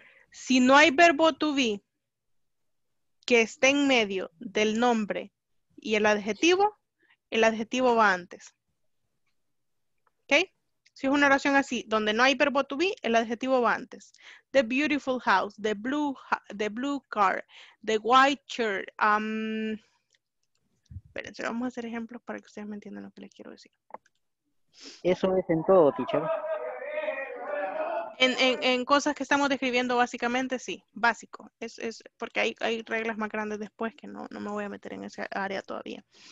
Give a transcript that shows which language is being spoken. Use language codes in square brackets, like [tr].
[es] Si no hay verbo to be que esté en medio del nombre y el adjetivo va antes. ¿Ok? Si es una oración así, donde no hay verbo to be, el adjetivo va antes. [en] The beautiful house, the blue car, the white shirt. [es] Espérense, vamos a hacer ejemplos para que ustedes me entiendan lo que les quiero decir. Eso es en todo, teacher. En cosas que estamos describiendo básicamente, sí, básico. Es porque hay reglas más grandes después que no me voy a meter en esa área todavía.